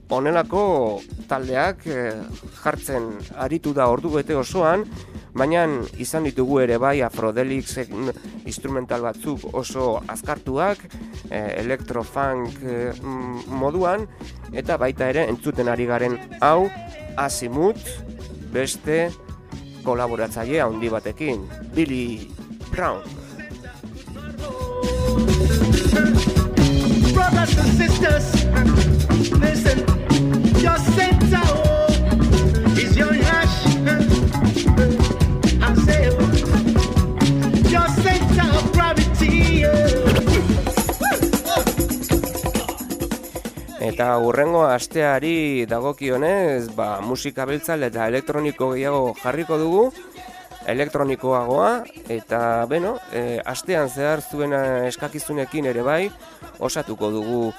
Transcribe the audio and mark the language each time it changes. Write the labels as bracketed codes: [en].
[eu] Honelako taldeak jartzen aritu da ordu bete osoan, baina izan ditugu ere bai Afrodelix instrumental batzuk oso azkartuak, electrofunk moduan, eta baita ere entzuten ari garen hau Azimut beste kolaboratzaile handi batekin, Billy Brown. [en] Brothers and sisters, listen, your center is your hash. I say, your center of gravity. [eu] Eta hurrengo asteari dagokionez, ba, musika beltzale eta elektroniko gehiago jarriko dugu, elektronikoagoa, eta beno, astean zehar zuen eskakizunekin ere bai, osatuko dugu